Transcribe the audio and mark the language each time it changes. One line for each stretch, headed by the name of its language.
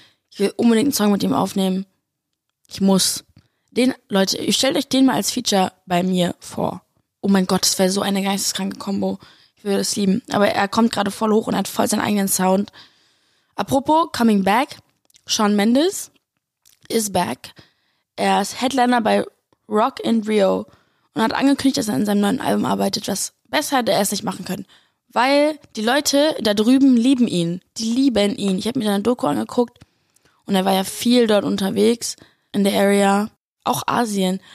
German: Ich will unbedingt einen Song mit ihm aufnehmen. Ich muss. Den, Leute, stellt euch den mal als Feature bei mir vor. Oh mein Gott, das wäre so eine geisteskranke Kombo. Ich würde es lieben. Aber er kommt gerade voll hoch und hat voll seinen eigenen Sound.
English: Apropos, coming back, Shawn Mendes is back.
German: Er ist Headliner bei Rock in Rio und hat angekündigt, dass er an seinem neuen Album arbeitet, was besser hätte er es nicht machen können. Weil die Leute da drüben lieben ihn. Die lieben ihn. Ich habe mir seine Doku angeguckt und er war ja viel dort unterwegs in der Area. Auch Asien.